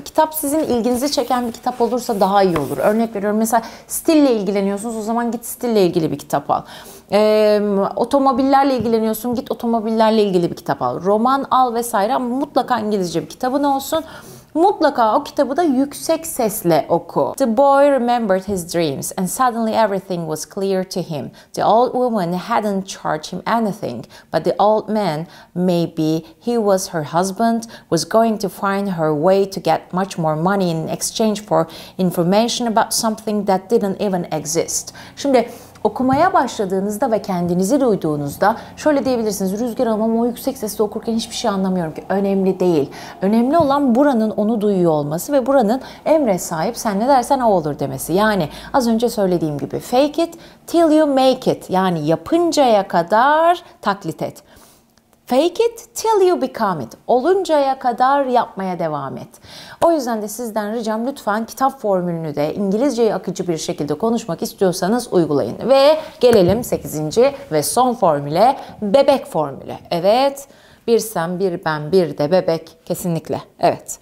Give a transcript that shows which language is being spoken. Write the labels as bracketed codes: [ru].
[tr] Kitap sizin ilginizi çeken bir kitap olursa daha iyi olur. Örnek veriyorum mesela stille ilgileniyorsunuz o zaman git stille ilgili bir kitap al. Otomobillerle ilgileniyorsun git otomobillerle ilgili bir kitap al. Roman al vesaire ama mutlaka İngilizce bir kitabın olsun. Mutlaka o kitabı da yüksek sesle oku. [en] The boy remembered his dreams and suddenly everything was clear to him. The old woman hadn't charged him anything, but the old man, maybe he was her husband, was going to find her way to get much more money in exchange for information about something that didn't even exist. [tr] Şimdi okumaya başladığınızda ve kendinizi duyduğunuzda şöyle diyebilirsiniz. Rüzgar ama o yüksek sesle okurken hiçbir şey anlamıyorum ki. Önemli değil. Önemli olan buranın onu duyuyor olması ve buranın emre sahip sen ne dersen o olur demesi. Yani az önce söylediğim gibi [en] fake it till you make it. [tr] Yani yapıncaya kadar taklit et. [en] Fake it till you become it. [tr] Oluncaya kadar yapmaya devam et. O yüzden de sizden ricam lütfen kitap formülünü de İngilizceyi akıcı bir şekilde konuşmak istiyorsanız uygulayın. Ve gelelim 8. ve son formüle. Bebek formülü. Evet. Bir sen, bir ben, bir de bebek. Kesinlikle. Evet.